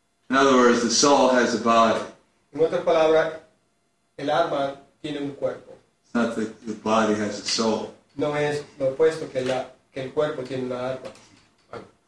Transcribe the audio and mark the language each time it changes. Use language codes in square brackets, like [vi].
[en] In other words, the soul has a body. [es] En otras palabras, el alma tiene un cuerpo. [en] It's not that the body has a soul. [es] No es lo opuesto que el cuerpo tiene una alma.